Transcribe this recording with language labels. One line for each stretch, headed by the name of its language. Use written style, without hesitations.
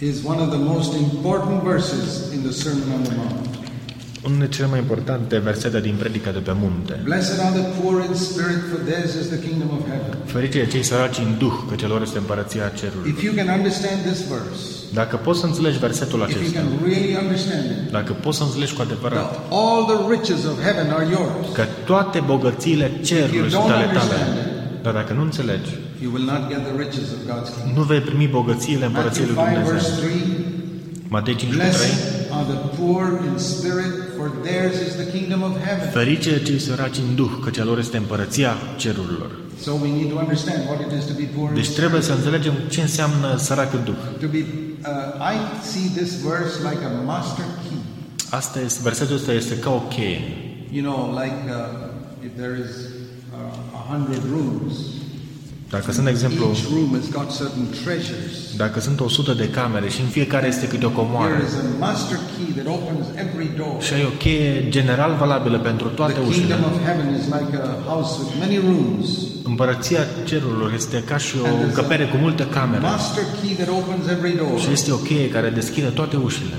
English: is one of the most important verses in the Sermon on the Mount.
Romanian: Unul dintre cele mai importante versete din predica de pe munte.
English: Blessed are the poor in spirit, for theirs is the kingdom of heaven.
Romanian: Feriți cei săraci în duh, căci lor este împărăția cerului.
English: If you can understand this verse.
Romanian: Dacă poți să înțelegi versetul acesta.
English: If you can really understand it.
Romanian: Dacă poți să înțelegi cu adevărat.
English: All the riches of heaven are yours.
Romanian: Că toate bogățiile cerului sunt ale tale. Dar dacă nu înțelegi.
English: You will not get the riches of God's kingdom.
Romanian: Nu vei primi bogățiile împărăției lui Dumnezeu.
English: Matthew 5, verse 3.
Romanian: Matei 5:3.
English: Are the poor in spirit, for theirs is the kingdom of heaven.
Romanian: Ferice cei săraci în duh, căci a lor este împărăția cerurilor.
English: So we need to understand what it is to be poor in spirit.
Romanian: Deci trebuie să înțelegem ce înseamnă sărac în duh.
English: I see this verse like a master key.
Romanian: Astăzi, versetul ăsta este ca o cheie.
English: You know, like if there is 100 rooms.
Romanian: Dacă sunt, de exemplu,
English: each room has got certain treasures.
Romanian: Dacă sunt 100 de camere și în fiecare este câte o comoară.
English: There is a master key that opens every door.
Romanian: Și ai o cheie general valabilă pentru toate ușile.
English: The kingdom of heaven is like a house with many rooms.
Romanian: Împărăția cerurilor este ca și o încăpere cu multe camere.
English: Master key that opens every door.
Romanian: Și este o cheie care deschide toate ușile.